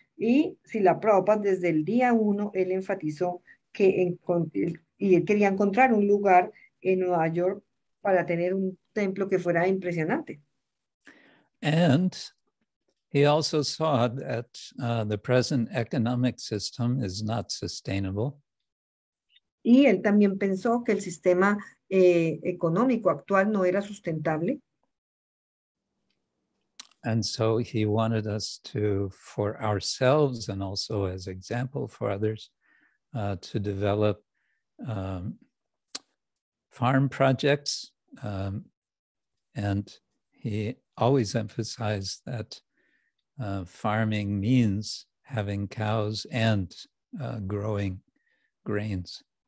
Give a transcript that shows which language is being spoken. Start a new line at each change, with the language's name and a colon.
Spanish: Y si la Prabhupada, desde el día uno, él enfatizó que él quería encontrar un lugar en Nueva York para tener un templo que fuera impresionante.
English: And he also saw that the present economic system is not sustainable.
Spanish: Y él también pensó que el sistema económico actual no era sustentable.
English: And so he wanted us to, for ourselves and also as example for others, to develop farm projects. And he always emphasized that farming means having cows and growing grains.